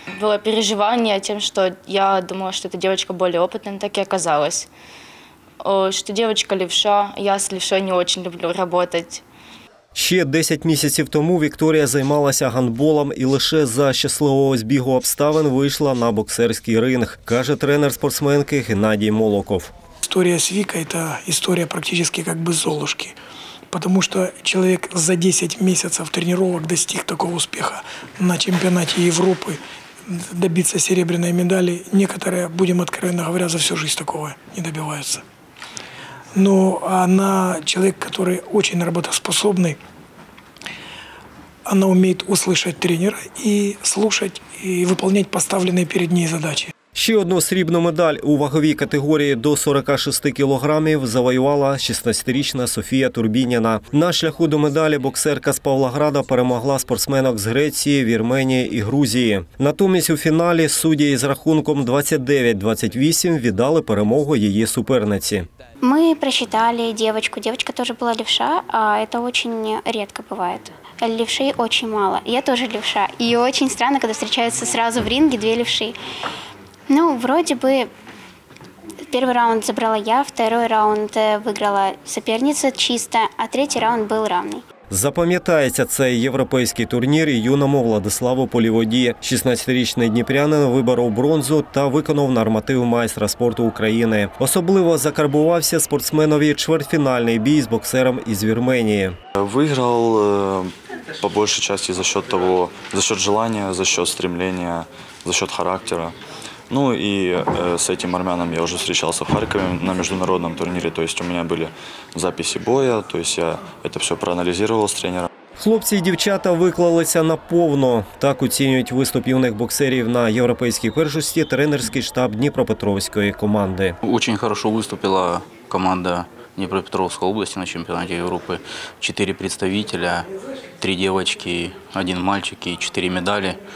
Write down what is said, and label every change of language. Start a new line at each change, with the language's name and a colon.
Ukrainian: Було переживання тим, що я думала, що ця дівчинка більш опитна, так і оказалось. Що дівчинка лівша, я з лівшою не дуже люблю працювати. Ще 10 місяців тому Вікторія займалася гандболом і лише за щасливого збігу обставин вийшла на боксерський ринг, каже тренер спортсменки Геннадій Молоков.
Russian: История с Викой – это история практически как бы Золушки. Потому что человек за 10 месяцев тренировок достиг такого успеха на чемпионате Европы, добиться серебряной медали. Некоторые, будем откровенно говоря, за всю жизнь такого не добиваются. Но она человек, который очень работоспособный. Она умеет услышать тренера и слушать, и выполнять поставленные перед ней задачи.
Ukrainian: Ще одну срібну медаль у ваговій категорії до 46 кілограмів завоювала 16-річна Софія Турбініна. На шляху до медалі боксерка з Павлограда перемогла спортсменок з Греції, Вірменії і Грузії. Натомість у фіналі судді з рахунком 29-28 віддали перемогу її суперниці. Ми просчитали дівчинку. Дівчинка теж була левша, а це дуже рідко буває. Левшей дуже мало. Я теж левша. І дуже странно, коли зустрічаються одразу в рингі дві левші.
Russian: Ну, вроде бы, первый раунд забрала я, второй раунд выиграла соперница чисто, а третий раунд был равный.
Ukrainian: Запам'ятається цей європейський турнір юному Владиславу Поліводі. 16-річний дніпрянин виборов бронзу та виконав норматив майстра спорту України. Особливо закарбувався спортсменові чвертьфінальний бій з боксером із Вірменії. Виграв по більшій часті
Russian: за счет того, за счет желания, за счет стремления, за счет характера. Ну и с этим армяном я уже встречался в Харькове на международном турнире, то есть у меня были записи боя, то есть я это все проанализировал с тренером.
Ukrainian: Хлопці і дівчата виклалися на повну. Так оцінюють виступ юних боксерів на європейській першості тренерський штаб Дніпропетровської команди. Дуже хорошо виступила команда Дніпропетровської області на чемпіонаті Європи. 4 представителя, 3 дівчатки, 1 хлопчик і 4 медалі.